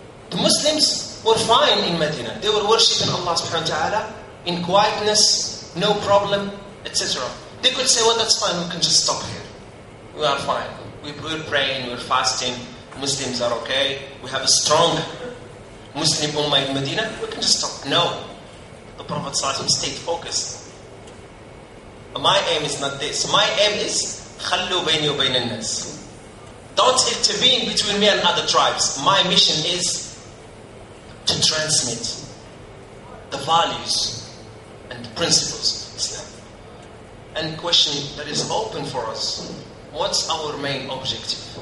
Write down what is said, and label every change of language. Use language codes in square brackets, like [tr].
[en] The Muslims were fine in Medina. They were worshipping Allah subhanahu wa ta'ala in quietness, no problem, etc. They could say, well, that's fine, we can just stop here. We are fine. We're praying, we're fasting, Muslims are okay, we have a strong Muslim Ummah in Medina, we can just stop. No. The Prophet ﷺ stayed focused. My aim is not this. [ar] My aim is خَلُّوا بَيْنِي وَبَيْنَ النَّاسِ. [en] Don't intervene between me and other tribes. My mission is to transmit the values and the principles of Islam. And question that is open for us, what's our main objective?